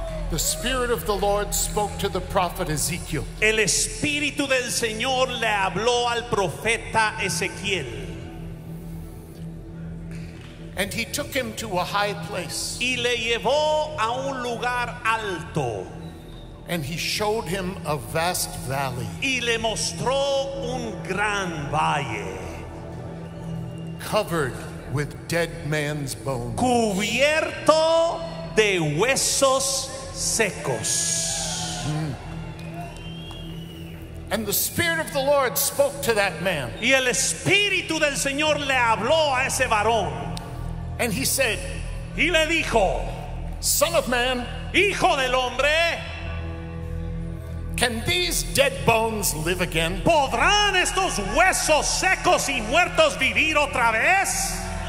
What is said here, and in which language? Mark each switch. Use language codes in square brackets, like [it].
[en] The Spirit of the Lord spoke to the prophet Ezekiel. [es] El Espíritu del Señor le habló al profeta Ezequiel. [en] And he took him to a high place. [es] Y le llevó a un lugar alto. [en] And he showed him a vast valley. [es] Y le mostró un gran valle. [en] Covered with dead man's bones. [es] Cubierto de huesos secos. [en] And the Spirit of the Lord spoke to that man. [es] Y el Espíritu del Señor le habló a ese varón. [en] And he said, [es] y le dijo, [en] son of man, [es] hijo del hombre, [en] can these dead bones live again? [es] ¿Podrán estos huesos secos y muertos vivir otra vez?